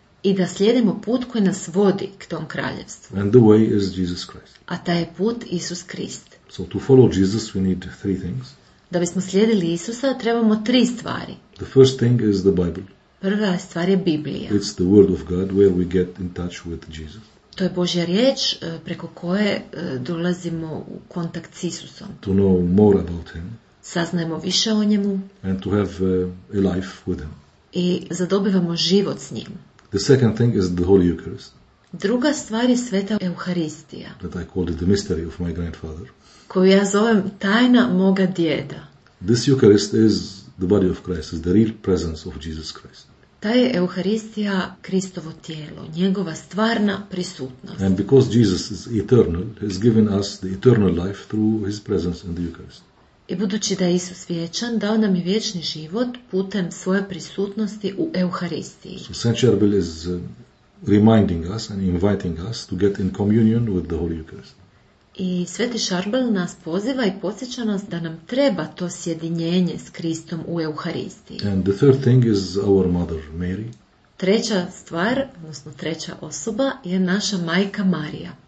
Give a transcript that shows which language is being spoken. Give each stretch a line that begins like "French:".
Croatian: I da slijedimo put koji nas vodi k tom kraljevstvu.
English: And the way is Jesus Christ.
Croatian: A taj je put Isus Krist.
English: So to follow Jesus we need three things.
Croatian: Da bismo slijedili Isusa trebamo tri stvari.
English: The first thing is the Bible.
Croatian: Prva stvar je Biblija.
English: It's the word of God where we get in touch with Jesus.
Croatian: To je Božja riječ preko koje dolazimo u kontakt s Isusom.
English: To know more about him.
Croatian: Saznajemo više o njemu.
English: And to have a life with him.
Croatian: I zadobivamo život s njim.
English: The second thing is the Holy Eucharist.
Croatian: Druga stvar je Sveta Euharistija.
English: That I call it the mystery of my grandfather.
Croatian: Koju ja zovem tajna moga djeda.
English: This Eucharist is the body of Christ, is the real presence of Jesus Christ.
Croatian: Ta je Euharistija Kristovo tijelo, njegova stvarna prisutnost.
English: And because Jesus is eternal, has given us the eternal life through his presence in the Eucharist.
Croatian: I budući da je Isus vječan, dao nam je vječni život putem svoje prisutnosti u Euharistiji.
English: So Saint Charbel is reminding us and inviting us to get in communion with the Holy Eucharist.
Croatian: I Sveti Šarbel nas poziva i podsjeća nas da nam treba to sjedinjenje s Kristom u Euharistiji.
English: And the third thing is our mother, Mary.
Croatian: Treća stvar, odnosno treća osoba, je naša majka Marija.